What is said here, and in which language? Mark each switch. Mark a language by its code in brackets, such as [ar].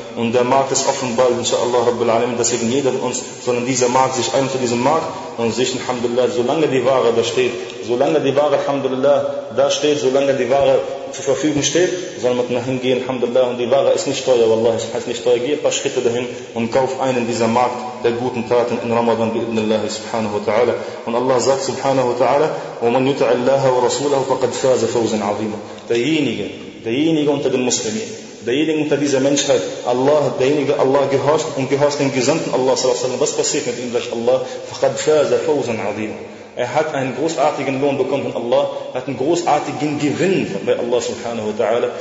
[de] Und der Markt ist offen bald, inshallah, Rabbil Alamin. Deswegen jeder von uns, sondern dieser Markt, sich ein zu diesem Markt und sich, alhamdulillah, solange die Ware zur Verfügung steht, soll man dahin gehen, alhamdulillah, und die Ware ist nicht teuer, wallahi, heißt nicht teuer, geh ein paar Schritte dahin und kauf einen dieser Markt der guten Taten in Ramadan, bi'idhnillah, subhanahu wa ta'ala. [ar] Und Allah sagt, subhanahu wa ta'ala, وَمَنْ يُتَعَ اللَّهَ وَرَسُولَهُ فَقَدْ فَازَ فَوْزًا عَظِيمًا. [de] Derjenige unter den Muslimen, derjenige unter dieser Menschheit, Allah, derjenige, Allah gehorcht und gehorcht den Gesandten Allah, was passiert mit ihm, sagt Allah, [ar] فَقَدْ فَازَ فَوْزًا عَظِيمًا. [de] Er hat einen großartigen Lohn bekommen von Allah, hat einen großartigen Gewinn bei Allah subhanahu wa ta'ala.